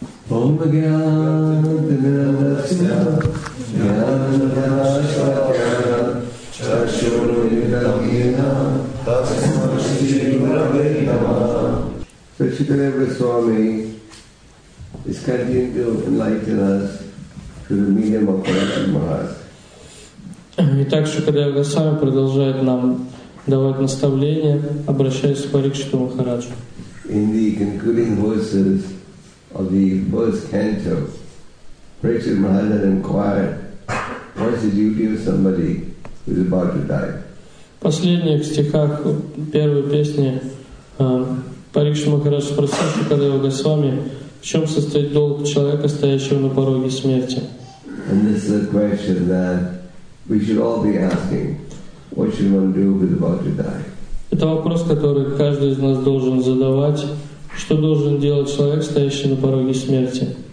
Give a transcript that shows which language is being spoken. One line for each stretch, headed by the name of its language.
Sanskrit: Om Gyanati Nidhasya Jnanadashvatyana Chachurvitamina Tasmashirubhavetama
English: So Shukadeva Swami is continuing to enlighten us through the medium of Parashat Maharaj.
Russian: Итак, Шукадева Госвами продолжает нам давать наставления, обращаясь к Парикшиту Махараджу.
English: In the concluding verses of the first canto, Parikshit Maharaj inquired, what is the duty of somebody who is about to die?
Russian: В последних стихах первой песни Парикшит Махарадж спросил Шукадева Госвами, в чем состоит долг человека, стоящего на пороге смерти.
English: And this is a question that we should all be asking, what should one do who is about to die?
Russian: Это вопрос, который каждый из нас должен задавать. Что должен делать человек, стоящий на пороге смерти?